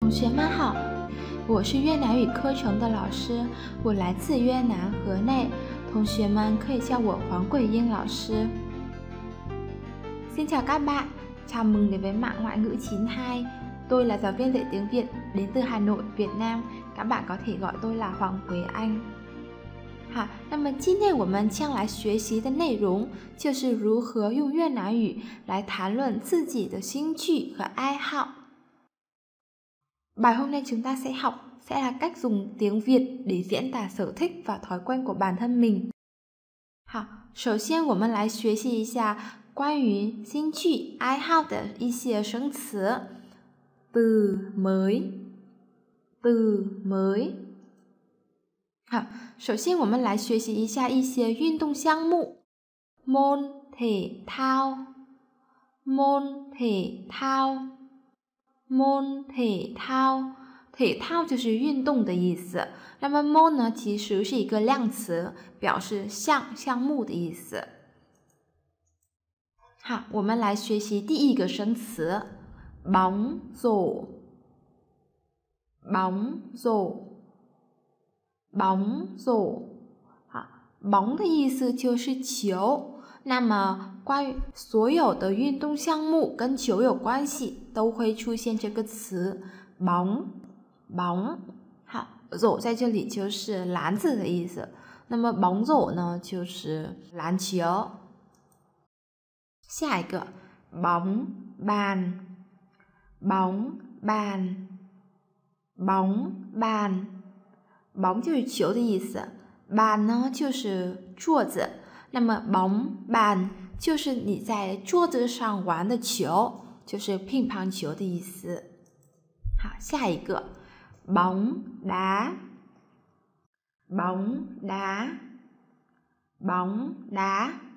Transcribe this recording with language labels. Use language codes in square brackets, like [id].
[zh] 同学们好，我是越南语课程的老师，我来自越南河内，同学们可以叫我黄桂英老师。 [vi] Xin chào các bạn, chào mừng đến với mạng ngoại ngữ 92. Tôi là giáo viên dạy tiếng Việt đến từ Hà Nội, Việt Nam. Các bạn có thể gọi tôi là Hoàng Quế Anh. [zh] 好，那么今天我们将来学习的内容就是如何用越南语来谈论自己的兴趣和爱好。 [vi] Bài hôm nay chúng ta sẽ học sẽ là cách dùng tiếng Việt để diễn tả sở thích và thói quen của bản thân mình. [zh] 好，首先我们来学习一下关于兴趣爱好的一些生词。 [vi] từ mới, từ mới. [zh] 好，首先我们来学习一下一些运动项目。 [vi] môn thể thao, môn thể thao. môn thể thao, [zh] thể thao 就是运动的意思。那么 môn 呢，其实是一个量词，表示项目的意思。好，我们来学习第一个生词 [vi] bóng rổ, bóng rổ, bóng rổ。 [zh] 好， bóng 的意思就是球。那么关于所有的运动项目跟球有关系都会出现这个词 [vi] bóng, bóng。 [zh] 好， rổ 在这里就是篮子的意思，那么 bóng rổ 呢就是篮球。下一个 [vi] bóng bàn, bóng bàn, bóng bàn, [zh] bóng 就是球的意思， bàn 呢就是桌子，那么 bóng bàn 就是你在桌子上玩的球，就是乒乓球的意思。好，下一个 [vi] bóng đá, bóng đá, bóng đá。